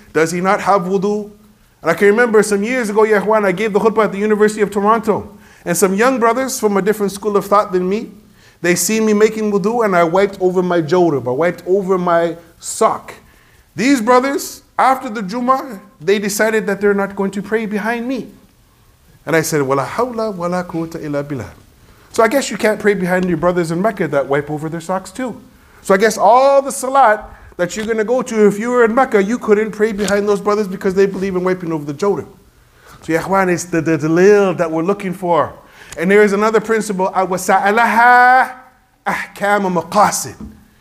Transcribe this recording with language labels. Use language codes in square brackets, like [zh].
[en] Does he not have wudu? And I can remember some years ago, Ya Ikhwan, I gave the khutbah at the University of Toronto. And some young brothers from a different school of thought than me, they seen me making wudu and I wiped over my jawrib. I wiped over my sock. These brothers, after the Jummah, they decided that they're not going to pray behind me. And I said, [ar] وَلَا حَوْلَ وَلَا قُوَّةَ إِلَّا بِاللَّهِ. [en] So I guess you can't pray behind your brothers in Mecca that wipe over their socks too. So I guess all the salat that you're going to go to, if you were in Mecca, you couldn't pray behind those brothers because they believe in wiping over the jodim. So ya ikhwan, it's the dalil that we're looking for. And there is another principle, [ar] وَسَأَلَهَا أَحْكَامَ مَقَاسِدٍ.